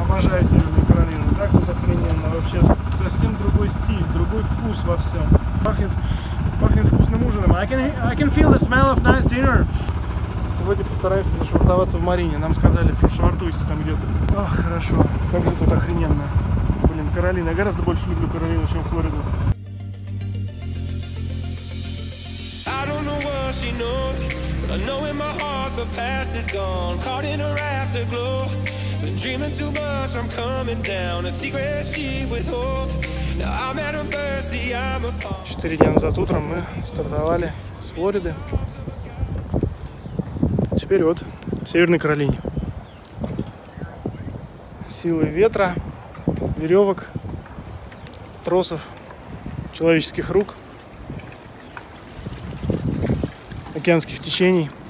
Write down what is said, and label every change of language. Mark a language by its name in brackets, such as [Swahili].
[Russian] Обожаю Северную Каролину, так вот охрененно, вообще совсем другой стиль, другой вкус во всем. Пахнет вкусным ужином. [English] I can feel the smell of nice dinner. [Russian] вроде постараемся зашвартоваться в Марине. Нам сказали, шартуйтесь там где-то. Ах, хорошо. Как же тут охрененно. Блин, Каролина. Я гораздо больше люблю Каролину, чем Флориду. [English] Dreaming too much, I'm coming down. A secret she withholds. Now I'm at her mercy, I'm a pawn. [Russian] 4 дня назад утром мы стартовали с Флориды. Теперь вот в Северной Каролине. Силы ветра, веревок, тросов, человеческих рук, океанских течений.